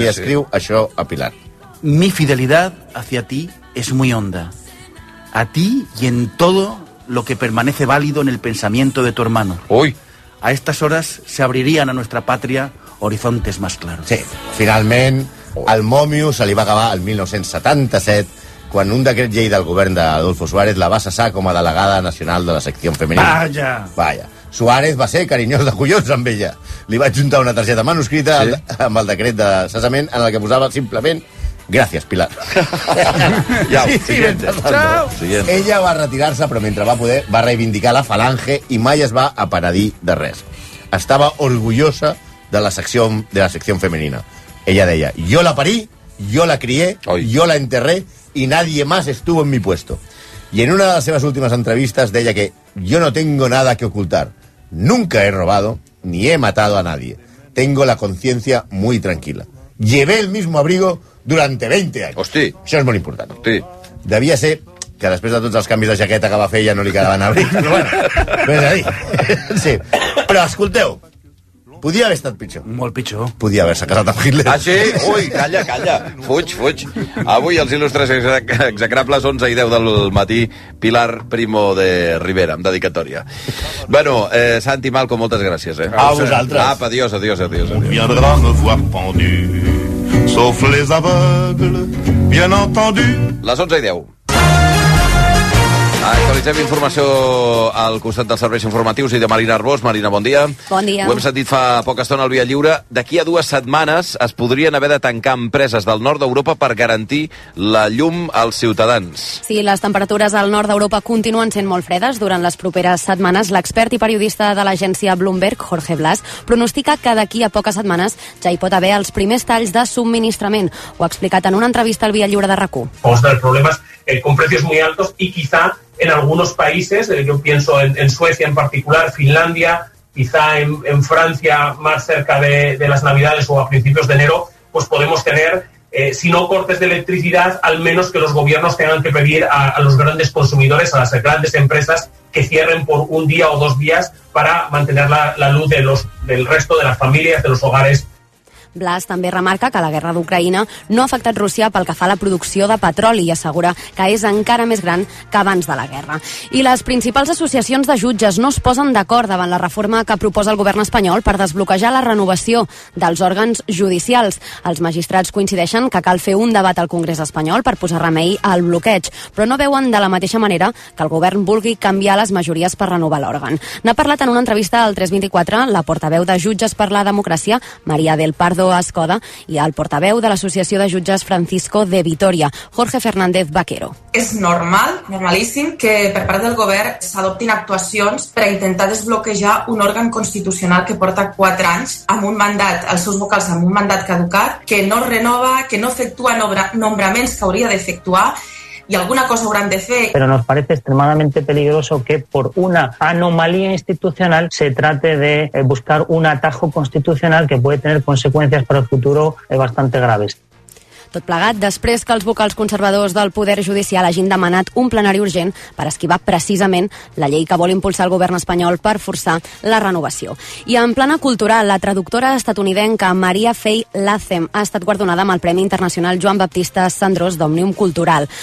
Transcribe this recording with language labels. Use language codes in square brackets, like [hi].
[ca] li escriu això a Pilar. [es] Mi fidelidad hacia ti es muy honda. A ti y en todo lo que permanece válido en el pensamiento de tu hermano. Uy. A estas horas se abrirían a nuestra patria horizontes más claros. [ca] Sí, finalment, el mòmio se li va acabar el 1977... quan un decret llei del govern d'Adolfo Suárez la va cessar com a delegada nacional de la secció femenina. Vaja! Vaja. Suárez va ser carinyós de collons amb ella. Li va adjuntar una targeta manuscrita amb el decret de cessament en el que posava simplement gràcies, Pilar. [es] Ja, siguiente. Siguiente. [ca] Ella va retirar-se, però mentre va poder, va reivindicar la Falange i mai es va aparadir de res. Estava orgullosa de la secció femenina. Ella deia, [es] jo la parí, jo la crié, jo la enterré, y nadie más estuvo en mi puesto. Y en una de las seves últimas entrevistas deia que yo no tengo nada que ocultar. Nunca he robado ni he matado a nadie. Tengo la conciencia muy tranquila. Llevé el mismo abrigo durante 20 años. [ca] Hosti. Això és molt important. Hosti. Devia ser que després de tots els canvis de jaqueta que va fer ja no li quedaven abrigos. Però bueno, [es] pues ahí. Sí. [ca] Però escolteu, podia haver estat pitjor. Molt pitjor. Podia haver-se casat amb Hitler. Ah, sí? Ui, calla, calla. Fuig, fuig. Avui els il·lustres execrables, 11 i 10 del matí, Pilar Primo de Rivera, amb dedicatòria. Bueno, Santi, Malco, moltes gràcies, eh? A vosaltres. [es] Apa, adiós, adiós, adiós. [fr] Viendrà me voir pendu, sauf les aveugles, bien entendu. [ca] Les 11 i 10. Actualitzem informació al costat dels serveis informatius i de Marina Arbós. Marina, bon dia. Bon dia. Ho hem sentit fa poca estona al Via Lliure. D'aquí a dues setmanes es podrien haver de tancar empreses del nord d'Europa per garantir la llum als ciutadans. Sí, les temperatures al nord d'Europa continuen sent molt fredes durant les properes setmanes. L'expert i periodista de l'agència Bloomberg, Jorge Blas, pronostica que d'aquí a poques setmanes ja hi pot haver els primers talls de subministrament. Ho ha explicat en una entrevista al Via Lliure de RAC1. [es] Pues el problema és con precios muy altos y quizá en algunos países, yo pienso en Suecia en particular, Finlandia, quizá en Francia más cerca de las Navidades o a principios de enero, pues podemos tener, si no cortes de electricidad, al menos que los gobiernos tengan que pedir a los grandes consumidores, a las grandes empresas, que cierren por un día o dos días para mantener la luz del resto de las familias, de los hogares. [ca] Blas també remarca que la guerra d'Ucraïna no ha afectat Rússia pel que fa a la producció de petroli i assegura que és encara més gran que abans de la guerra. I les principals associacions de jutges no es posen d'acord davant la reforma que proposa el govern espanyol per desbloquejar la renovació dels òrgans judicials. Els magistrats coincideixen que cal fer un debat al Congrés espanyol per posar remei al bloqueig, però no veuen de la mateixa manera que el govern vulgui canviar les majories per renovar l'òrgan. N'ha parlat en una entrevista al 324 la portaveu de Jutges per la Democràcia, Maria del Par Escoda, i el portaveu de l'Associació de Jutges Francisco de Vitoria, Jorge Fernández Vaquero. És normal, normalíssim, que per part del govern s'adoptin actuacions per a intentar desbloquejar un òrgan constitucional que porta 4 anys amb un mandat, els seus vocals amb un mandat caducat, que no renova, que no efectua nombraments que hauria d'efectuar, [es] y alguna cosa grande fe. Pero nos parece extremadamente peligroso que por una anomalía institucional se trate de buscar un atajo constitucional que puede tener consecuencias para el futuro bastante graves. [ca] Tot plegat després que els vocals conservadors del poder judicial hagin demanat un plenari urgent per esquivar precisament la llei que vol impulsar el govern espanyol per forçar la renovació. I en plana cultural, la traductora estatunidenca Maria Faye Latham ha estat guardonada amb el Premi Internacional Joan Baptista Cendrós d'Òmnium Cultural.